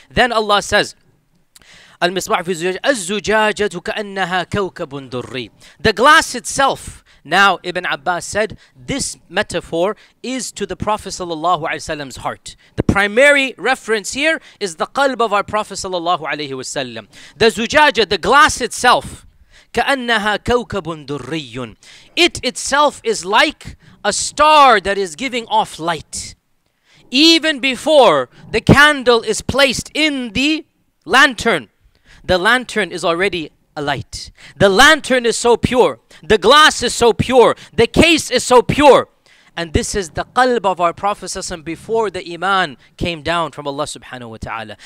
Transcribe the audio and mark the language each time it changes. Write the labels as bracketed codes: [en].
[en] Then Allah says, [ar] المصباح في الزجاجة الزجاجة كأنها كوكب دري. [en] The glass itself. Now Ibn Abbas said this metaphor is to the Prophet sallallahu alaihi wasallam's heart. The primary reference here is the qalb of our Prophet sallallahu alaihi wasallam. The zujaja, the glass itself, [ar] كأنها كوكب دري. [en] It itself is like a star that is giving off light. Even before the candle is placed in the lantern, the lantern is already a light. The lantern is so pure. The glass is so pure. The case is so pure. And this is the qalb of our Prophet ﷺ before the iman came down from Allah subhanahu wa ta'ala.